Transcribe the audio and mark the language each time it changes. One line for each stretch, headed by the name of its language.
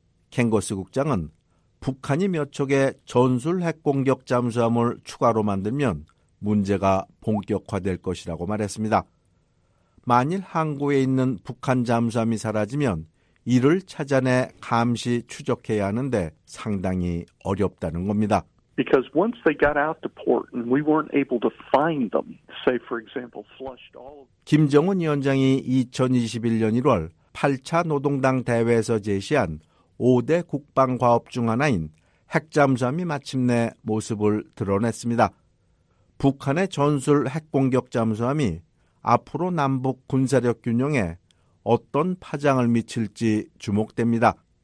Korean: 캥거스 국장은 북한이 몇 척의 전술핵 공격 잠수함을 추가로 만들면 문제가 본격화될 것이라고 말했습니다. 만일 항구에 있는 북한 잠수함이 사라지면 이를 찾아내 감시 추적해야 하는데 상당히 어렵다는 겁니다.
English: Because once they got out to port and we weren't able to find them, say for example, flushed all of
Korean: 김정은 위원장이 2021년 1월 8차 노동당 대회에서 제시한 5대 국방 과업 중 하나인 핵잠수함이 마침내 모습을 드러냈습니다. 북한의 전술 핵공격 잠수함이 앞으로 남북 군사력 균형에 어떤 파장을 미칠지 주목됩니다.